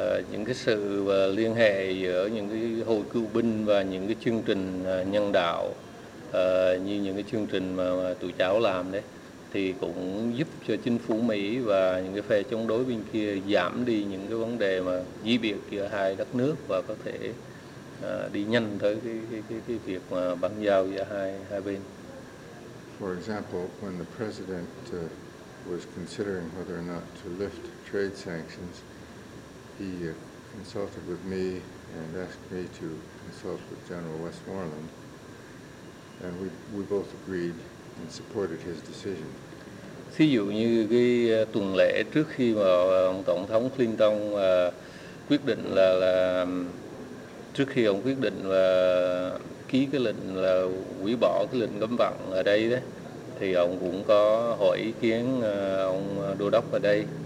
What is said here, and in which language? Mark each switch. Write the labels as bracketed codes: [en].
[vi] Những cái sự liên hệ giữa những cái hội cựu binh và những cái chương trình nhân đạo như những cái chương trình mà tụi cháu làm đấy thì cũng giúp cho chính phủ Mỹ và những cái phe chống đối bên kia giảm đi những cái vấn đề mà dị biệt giữa hai đất nước và có thể đi nhanh tới cái việc mà bàn giao giữa hai bên. [en] For example, when the president was considering whether or not to lift trade sanctions, he consulted with me and asked me to consult with General Westmoreland, and we both agreed and supported his decision. [vi] Ví dụ như cái tuần lễ trước khi mà ông tổng thống Clinton quyết định là trước khi ông quyết định và ký cái lệnh là hủy bỏ cái lệnh cấm vận ở đây đấy, thì ông cũng có hỏi ý kiến ông đô đốc ở đây.